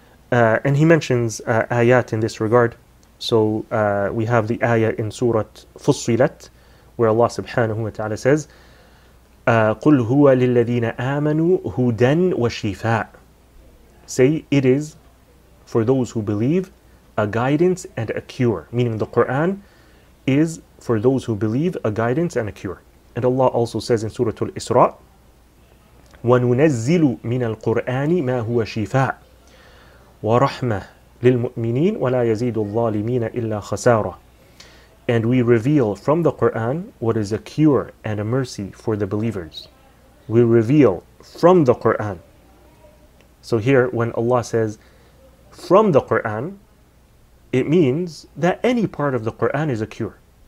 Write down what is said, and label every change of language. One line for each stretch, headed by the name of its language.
English: And he mentions ayat in this regard. So we have the ayah in Surah Fussilat, where Allah subhanahu wa ta'ala says,
Arabic: قُلْ هُوَ لِلَّذِينَ آمَنُوا هُدًى وَشِفَاءً.
English: Say, it is for those who believe a guidance and a cure. Meaning the Quran is for those who believe a guidance and a cure. And Allah also says in Surah Al-Isra,
Arabic: وَنُنَزِّلُ مِنَ الْقُرْآنِ مَا هُوَ شِفَاءً وَرَحْمَةً لِلْمُؤْمِنِينَ وَلَا يَزِيدُ الظَّالِمِينَ إِلَّا خَسَارًا.
English: And we reveal from the Quran what is a cure and a mercy for the believers. We reveal from the Quran. So here, when Allah says from the Quran, it means that any part of the Quran is a cure.